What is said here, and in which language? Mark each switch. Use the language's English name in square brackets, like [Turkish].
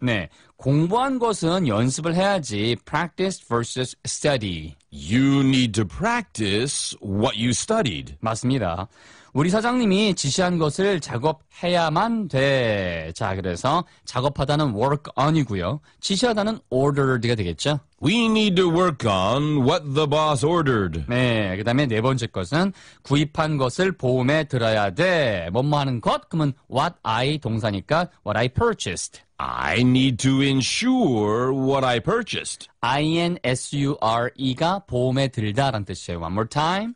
[Korean] 네, 공부한 것은 연습을 해야지. [English] Practice versus study. You need to practice what you studied. [Korean] 맞습니다. 우리 사장님이 지시한 것을 작업해야만 돼. 자, 그래서 작업하다는 work on이고요. 지시하다는 ordered가 되겠죠. [English] We need to work on what the boss ordered. [Korean] 네, 그 다음에 네 번째 것은 구입한 것을 보험에 들어야 돼. 뭐뭐 하는 것? 그러면 what I 동사니까 [English] what I purchased. I need to insure what I purchased. [Korean] I-N-S-U-R-E가 보험에 들다라는 뜻이에요. [English] One more time.